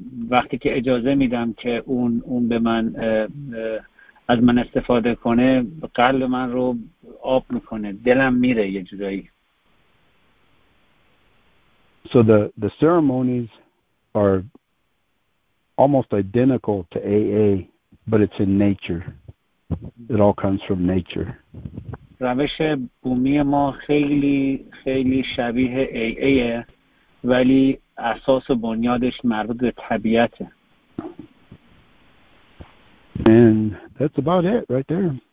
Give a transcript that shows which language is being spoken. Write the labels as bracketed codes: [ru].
[fa] وقتی که اجازه میدم که اون به من از من استفاده کنه، قلب من رو آب میکنه، دلم میره یه جورایی. [en] So the ceremonies are almost identical to AA, but it's in nature. It all comes from nature. [fa] روش بومی ما خیلی خیلی شبیه AA ولی اساس و بنیادش مربوط به طبیعته. [en] And that's about it right there.